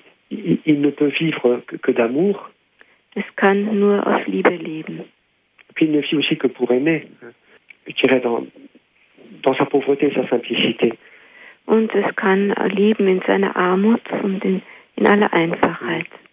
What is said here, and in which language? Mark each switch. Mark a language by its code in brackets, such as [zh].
[fr] Il ne peut vivre que d'amour. [de] Es kann nur auf Liebe leben. [fr] Et puis il ne vit aussi que pour aimer. Je dirais dans sa pauvreté et sa simplicité. [de] Und es kann leben in seiner Armut und in aller Einfachheit.